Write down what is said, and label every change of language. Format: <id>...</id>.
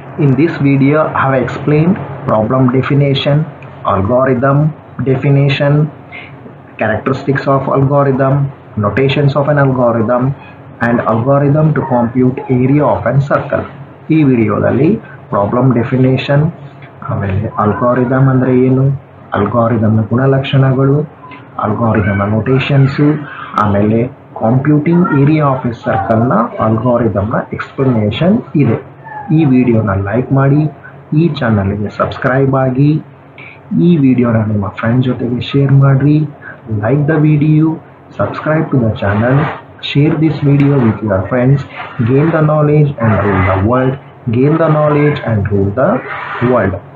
<en>In this video, I have explained problem definition, algorithm definition, characteristics of algorithm, notations of an algorithm, and algorithm to compute area of a circle.</en> <kn>ಈ ವಿಡಿಯೋದಲ್ಲಿ problem definition, ಆಮೇಲೆ algorithm ಅಂದರೆ ಏನು, ಅಲ್ಗಾರಿದಮ್ನ ಗುಣಲಕ್ಷಣಗಳು, ಅಲ್ಗಾರಿದಮ್ನ ನೊಟೇಷನ್ಸು, ಆಮೇಲೆ computing area of A ಸರ್ಕಲ್ನ ಅಲ್ಗಾರಿದಮ್ನ explanation ಇದೆ. ಈ ವಿಡಿಯೋನ ಲೈಕ್ ಮಾಡಿ, ಈ ಚಾನಲ್ಗೆ ಸಬ್ಸ್ಕ್ರೈಬ್ ಆಗಿ, ಈ ವಿಡಿಯೋನ ನಿಮ್ಮ ಫ್ರೆಂಡ್ ಜೊತೆಗೆ ಶೇರ್ ಮಾಡಿರಿ.</kn> <en>Like the video, subscribe to the channel. Share this video with your friends. Gain the knowledge and rule the world. Gain the knowledge and rule the world.</en>